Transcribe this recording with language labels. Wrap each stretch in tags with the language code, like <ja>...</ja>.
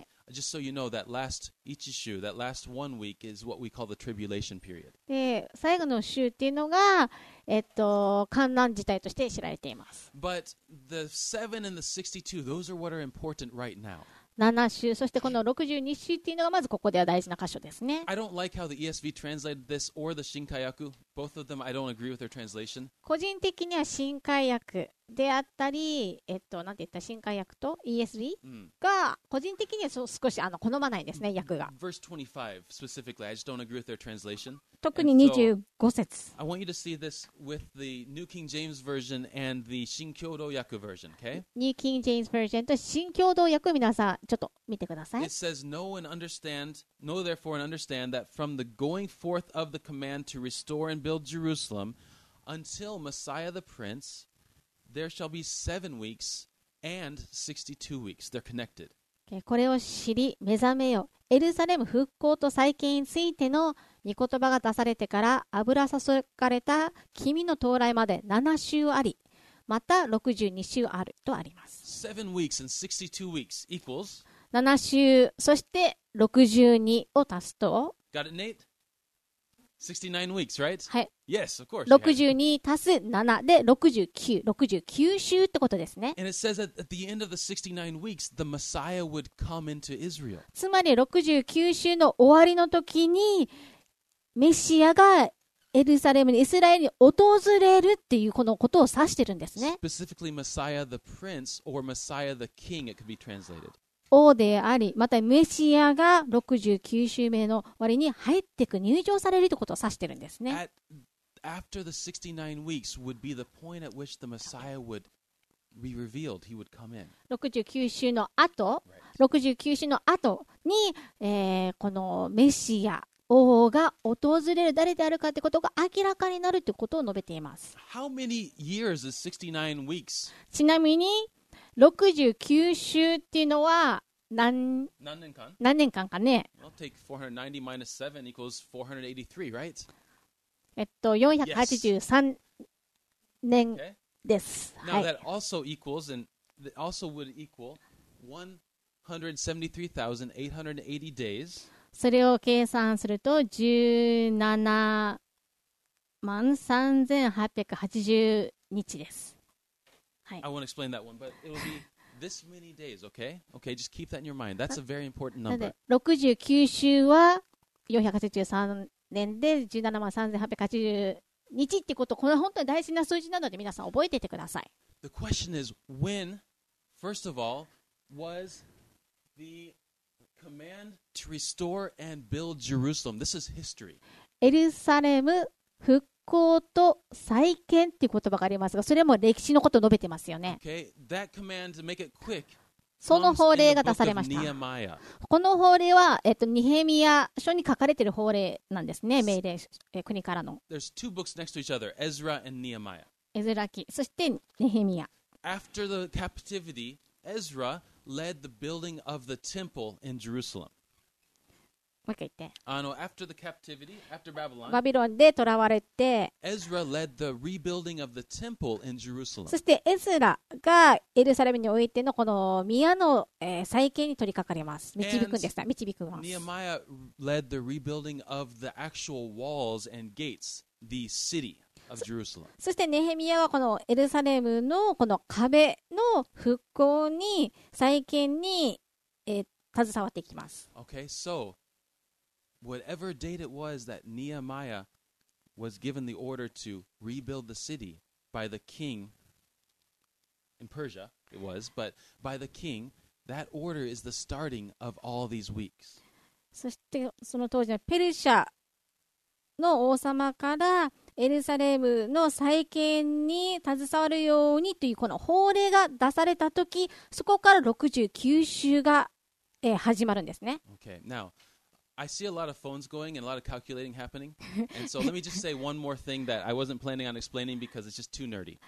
<en>Just so you know, that last 1週, that last 1 week is what we call the tribulation period.</en> <ja>で、最後の週っていうのが、患難時代として知られています。</ja> <en>But the 7 and the 62, those are what are important right now.</en> <ja>7週、そしてこの62週っていうのがまずここでは大事な箇所ですね。</ja> <en>I don't like how the ESV translated this or the Shinkaiaku. Both of them, I don't agree with their translation.</en> <ja>個人的には Shinkaiaku. であったり、なんて言った新改訳と ESV が個人的には少し好まないですね、訳が。</ja> <en>Verse 25 specifically, I just don't agree with their translation.</en> <ja>特に25節。</ja> <en>I want you to see this with the New King James Version and the 新共同訳 version, okay?</en> <ja>New King James Version と新共同訳、皆さんちょっと見てください。</ja> <en>It says, know therefore and understand that from the going forth of the command to restore and build Jerusalem until Messiah the Prince. There shall be 7 weeks and 62 weeks. They're connected.</en> <ja>これを知り、目覚めよ。エルサレム復興と再建についての御言葉が出されてから、油注がれた君の到来まで7週あり、また62週あるとあります。</ja> <en>7 weeks and 62 weeks equals</en> <ja>7週、そして62を足すと</ja> <en>Got it, Nate? 69 weeks, right?</en> <ja>はい。</ja> <en>Yes, of course.</en> <ja>62足す7で69週ってことですね。</ja> <en>And it says that at the end of the 69 weeks, the Messiah would come into Israel.</en> <ja>つまり69週の終わりの時に、メシアがエルサレムに、イスラエルに訪れるっていうこのことを指してるんですね。</ja> <en>Specifically, Messiah the Prince or Messiah the King, it could be translated.</en> <ja>王であり、またメシアが69週目の割に入っていく、入場されるということを指してるんですね。</ja> <en>After the 69 weeks would be the point at which the Messiah would be revealed. He would come in.</en> <ja>69週の後、69週の後に、このメシア、王が訪れる誰であるかってことが明らかになるということを述べています。</ja> <en>How many years is 69 weeks?</en> <ja>ちなみに、69週っていうのは 何年間かね。</ja> <en>I'll take 490 minus 7 equals 483, right?</en> <ja>483年です。</ja> <en>Okay. Now that also equals and that also would equal 173,880 days.</en> <ja>それを計算すると173,880日です。</ja> <en>I won't explain that one, but it will be this many days, okay? Okay, just keep that in your mind. That's a very important number.</en> <ja>69週は483年で17万3880日ってこと、これは本当に大事な数字なので皆さん覚えていてください。</ja> <en>The question is, when, first of all, was the command to restore and build Jerusalem? This is history.</en> <ja>エルサレム復興復興と再建という言葉がありますが、それも歴史のことを述べてますよね。</ja> <en>Okay. That command to make it quick</en> <ja>その法令が出されました。この法令は、ニヘミヤ書に書かれている法令なんですね、命令、国からの。</ja> <en>There's two books next to each other, Ezra and Nehemiah.</en> <ja>エズラ記、そしてニヘミヤ。</ja> <en>After the captivity, Ezra led the building of the temple in Jerusalem.</en> <ja>もう一回言って。</ja> <en>After the captivity, after Babylon,</en> <ja>バビロンで囚われて、</ja> <en>Ezra led the rebuilding of the temple in Jerusalem.</en> <ja>そしてエズラがエルサレムにおいてのこの宮の、再建に取り掛かります。導くんですか？導くんです。</ja> <en>Nehemiah led the rebuilding of the actual walls and gates, the city of Jerusalem.</en> <ja>そしてネヘミヤはこのエルサレムのこの壁の復興に再建に、携わっていきます。</ja> <en>Okay, so. Whatever date it was that Nehemiah was given the order to rebuild the city by the king in Persia, it was, but by the king, that order is the starting of all these weeks.</en> <ja>そしてその当時のペルシャの王様からエルサレムの再建に携わるようにというこの法令が出されたとき、そこから69週が、始まるんですね。</ja> <en>Okay, now,I see a lot of phones going and a lot of calculating happening. And so let me just say one more thing that I wasn't planning on explaining because it's just too nerdy.</en>